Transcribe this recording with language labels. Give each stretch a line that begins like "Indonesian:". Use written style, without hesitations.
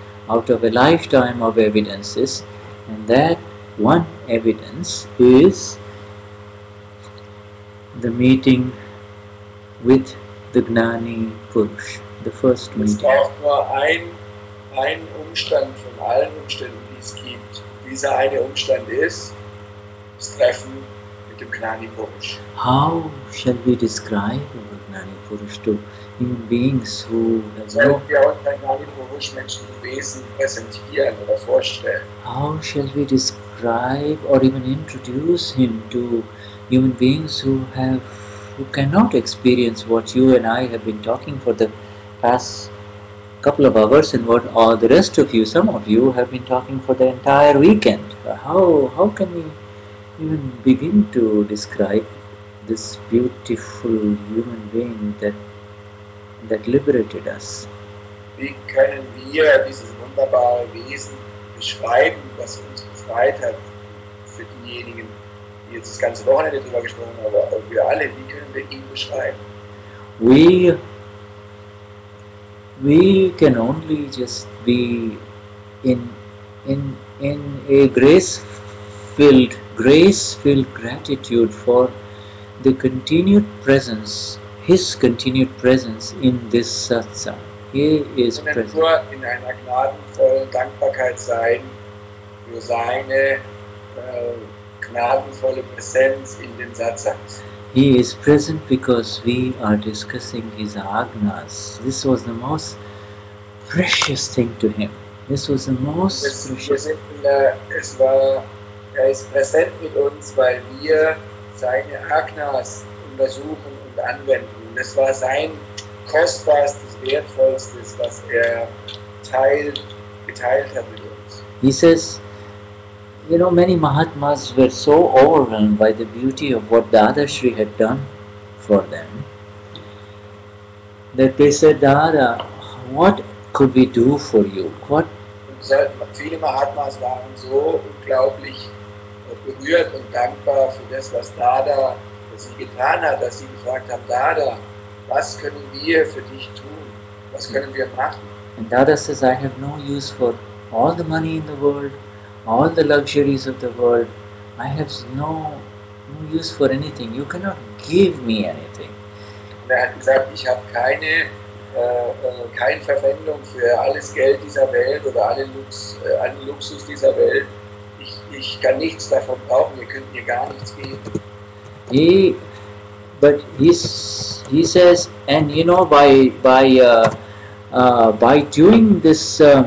English: out of a lifetime of evidences, and that one evidence is the meeting with the Gnani Purush, the first meeting.
German: Es braucht nur ein Umstand von allen Umständen, die es gibt. Dieser eine Umstand ist das Treffen mit dem Gnani Purush.
English: How shall we describe the Gnani Purush to human beings who have no...
German: Wir uns den Gnani Purush menschlichen Wesen präsentieren oder vorstellen.
English: How shall we describe or even introduce him to human beings who have who cannot experience what you and I have been talking for the past couple of hours and what all the rest of you, some of you, have been talking for the entire weekend. How can we even begin to describe this beautiful human being that liberated us?
German: Wie können wir dieses wunderbare Wesen beschreiben, was uns befreit hat, für diejenigen, jetzt das ganze Wochenende drüber gesprochen, aber wir alle, wie können wir ihn beschreiben?
English: We can only just be in a grace-filled gratitude for the continued presence, his continued presence in this satsang. He is present.
German: Wir können nur in einer gnadenvollen Dankbarkeit sein für seine gnadenvolle Präsenz in den Satsangs.
English: He is present because we are discussing his agnas. This was the most precious thing to him. This was the most precious.
German: Er ist präsent mit uns, weil wir seine agnas untersuchen und anwenden. Das war sein kostbarstes, wertvollstes, was er geteilt hat mit uns.
English: He says, you know, many Mahatmas were so overwhelmed by the beauty of what Dadashri had done for them that they said, Dada, what could we do for you? What?
German: Viele Mahatmas waren so unglaublich berührt und dankbar für das, was Dada für sie getan hat, dass sie gefragt haben, Dada, was können wir für dich tun? Was können wir machen?
English: And Dada says, I have no use for all the money in the world, all the luxuries of the world, I have no use for anything. You cannot give me anything.
German: Und er hat gesagt, ich habe keine Verwendung für alles Geld dieser Welt oder allen Luxus dieser Welt. Ich kann nichts davon brauchen. Ihr könnt mir gar nichts geben.
English: He says, and you know, by doing this.